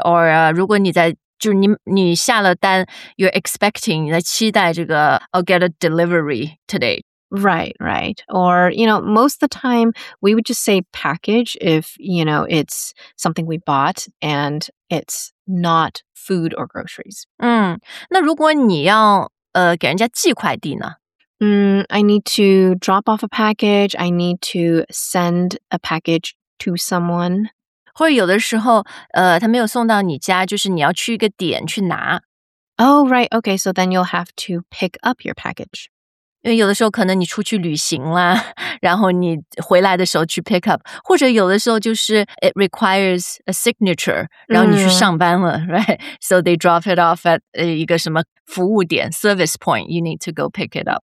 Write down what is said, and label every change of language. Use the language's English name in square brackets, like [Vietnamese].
[Chinese] Or 如果你在就是你下了单 [English] you're expecting, [Chinese] 你在期待这个 [English] I'll get a delivery today. Right, right. Or, you know, most of the time we would just say package if, you know, it's something we bought and it's not food or groceries. [Chinese] 那如果你要给人家寄快递呢 [English] I need to drop off a package. I need to send a packageto someone. [Chinese] 或者有的时候他没有送到你家就是你要去一个点去拿。 [English] Oh, right. Okay, so then you'll have to pick up your package. [Chinese] 因为有的时候可能你出去旅行啦，然后你回来的时候去 pick up， 或者有的时候就是 [English] it requires a signature， [Chinese] 然后你去上班了、right? [English] So they drop it off at [Chinese] 一个什么服务点 [English] service point， you need to go pick it up。